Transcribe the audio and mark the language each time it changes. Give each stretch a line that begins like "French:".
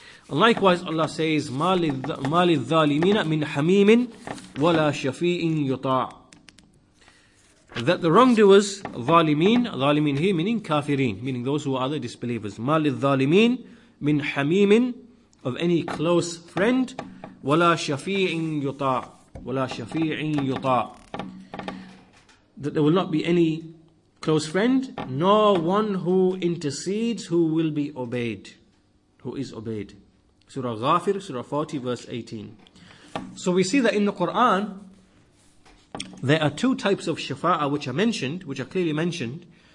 English: And likewise, Allah says,
Arabic: "مَا لِلظَّالِمِينَ مِنْ حَمِيمٍ وَلَا شَفِيعٍ يُطَاعٍ."
English: That the wrongdoers, ظالمين here meaning كافرين, meaning those who are the disbelievers.
Arabic: مَا لِلظَّالِمِينَ مِنْ حَمِيمٍ,
English: of any close friend,
Arabic: وَلَا شَفِيعٍ يُطَاع.
English: That there will not be any close friend, nor one who intercedes who will be obeyed, who is obeyed. Surah Ghafir, Surah 40, verse 18. So we see that in the Quran, there are two types of shafa'ah which are mentioned, which are clearly mentioned.